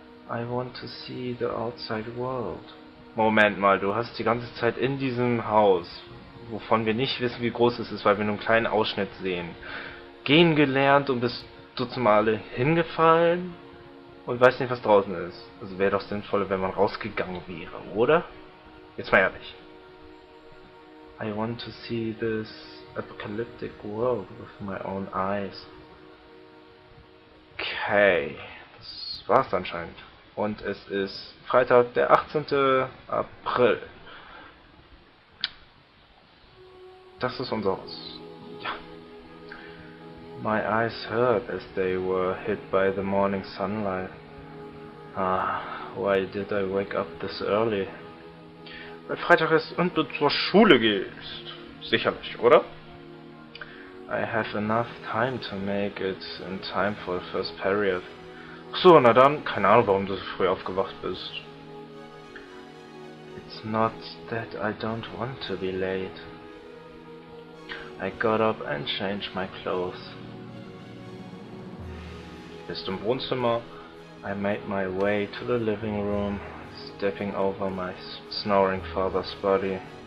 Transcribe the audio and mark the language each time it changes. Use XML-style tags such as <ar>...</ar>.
<en>I want to see the outside world.</en> <de>Moment mal, du hast die ganze Zeit in diesem Haus, wovon wir nicht wissen, wie groß es ist, weil wir nur einen kleinen Ausschnitt sehen, gehen gelernt und bist du zum Male hingefallen und weißt nicht, was draußen ist. Also wäre doch sinnvoller, wenn man rausgegangen wäre, oder? Jetzt mal ehrlich.</de> <en>I want to see this apocalyptic world with my own eyes.</en> <de>Okay, das war's anscheinend. Und es ist Freitag, der 18. April. Das ist unser Haus. Ja.</de> <en>My eyes hurt as they were hit by the morning sunlight. Ah, why did I wake up this early?</en> <de>Weil Freitag ist und du zur Schule gehst. Sicherlich, oder?</de> <en>I have enough time to make it in time for the first period.</en> <de>Achso, na dann, keine Ahnung, warum du so früh aufgewacht bist.</de> <en>It's not that I don't want to be late. I got up and changed my clothes.</en> <de>Bist im Wohnzimmer.</de> <en>I made my way to the living room, stepping over my snoring father's body.</en>